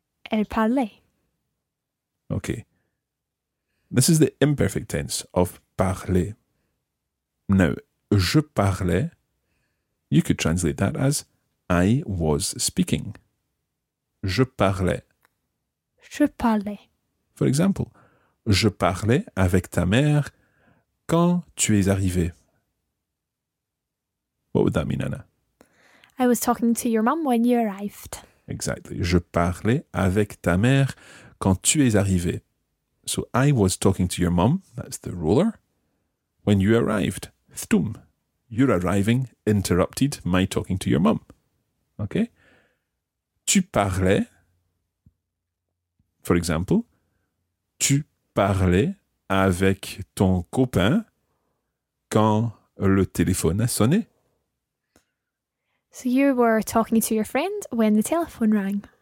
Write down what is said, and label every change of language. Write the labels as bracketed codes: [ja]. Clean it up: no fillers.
[fr] Elle parlait. [en] Okay. This is the imperfect tense of parler. Now, [fr] je parlais, [en] you could translate that as I was speaking. [fr] Je parlais. Je parlais. [en] For example, [fr] je parlais avec ta mère quand tu es arrivée. [en] What would that mean, Anna? I was talking to your mum when you arrived. Exactly. [fr] Je parlais avec ta mère quand tu es arrivée. [en] So I was talking to your mum, that's the ruler, when you arrived. Thtum. Your arriving interrupted my talking to your mum. Okay? [fr] Tu parlais, [en] for example, [fr] tu parlais avec ton copain quand le téléphone a sonné. [en] So you were talking to your friend when the telephone rang.